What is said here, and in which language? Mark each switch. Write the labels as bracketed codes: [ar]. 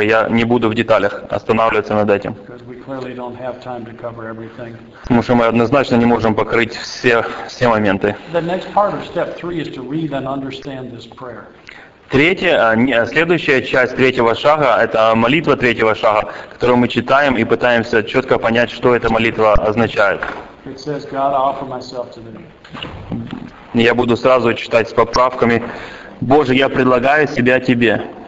[ru] Я не буду в деталях останавливаться над этим. [en] Because we clearly don't have time to cover everything. [ru] Потому что мы однозначно не можем покрыть все моменты. [en] The next part of step three is to read and understand this prayer. [ru] Следующая часть третьего шага – это молитва третьего шага, которую мы читаем и пытаемся четко понять, что эта молитва означает. [en] It says, God, I offer myself to thee. [ru] Я буду сразу читать с поправками. Боже, я предлагаю себя Тебе.